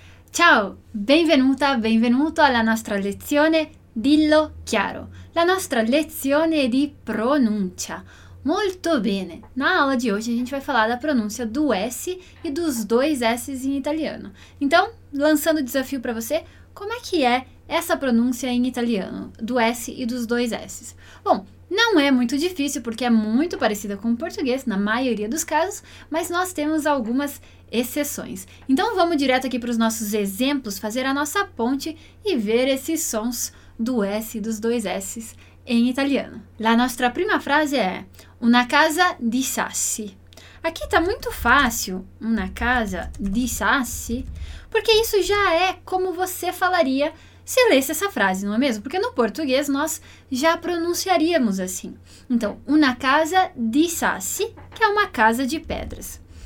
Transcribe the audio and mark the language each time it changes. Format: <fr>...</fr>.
<it>Ciao, benvenuta, benvenuto alla nostra lezione Dillo Chiaro, la nostra lezione di pronuncia. Molto bene,</it> <pt>na aula de hoje a gente vai falar da pronúncia do S e dos dois S em italiano. Então, lançando o desafio para você, como é que é essa pronúncia em italiano, do S e dos dois S? Bom, não é muito difícil porque é muito parecida com o português, na maioria dos casos, mas nós temos algumas exceções. Então, vamos direto aqui para os nossos exemplos, fazer a nossa ponte e ver esses sons do S e dos dois S em italiano.</pt> <it>La nostra prima frase é una casa di sassi.</it> <pt>Aqui está muito fácil,</pt> <it>una casa di sassi,</it> <pt>porque isso já é como você falaria se lesse essa frase, não é mesmo? Porque no português nós já pronunciaríamos assim. Então,</pt> <it>una casa di sassi,</it> <pt>que é uma casa de pedras.</pt>